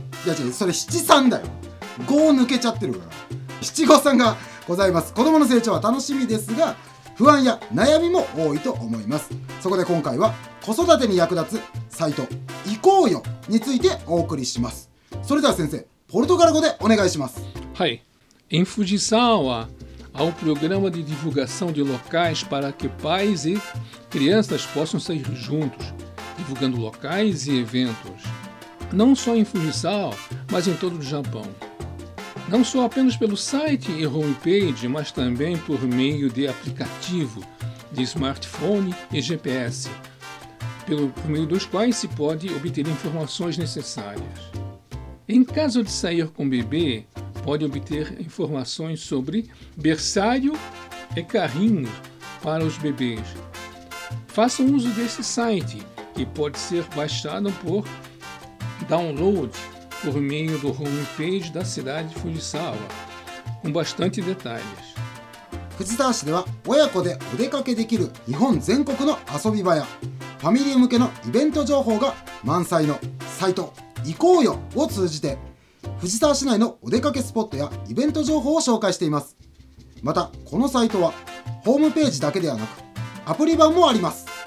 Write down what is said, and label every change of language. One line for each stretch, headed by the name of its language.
Japanese: いや違う、それ七三だよ。五抜けちゃってるから。七五三がございます。子供の成長は楽しみですが、不安や悩みも多いと思います。そこで今回は子育てに役立つサイト、行こうよについてお送りします。それでは先生、ポルトガル語でお願いします。はい。
Portuguese: Em Fujisa há um programa de divulgação de locais para que pais e crianças possam sair juntos. Divulgando locais e eventos, não só em Fujisawa, mas em todo o Japão. Não só apenas pelo site e homepage, mas também por meio de aplicativo, de smartphone e GPS, por meio dos quais se pode obter informações necessárias. Em caso de sair com bebê, pode obter informações sobre berçário e carrinho para os bebês. Faça uso desse site. Que pode ser baixado por download por meio do homepage da cidade de Fujisawa, com bastante detalhes.
Japanese: Fujisawa 市では親子でお出かけできる日本全国の遊び場やファミリー向けのイベント情報が満載のサイト行こうよを通じて Fujisawa 市内のお出かけスポットやイベント情報を紹介しています。またこのサイトはホームページだけではなくアプリ版もあります。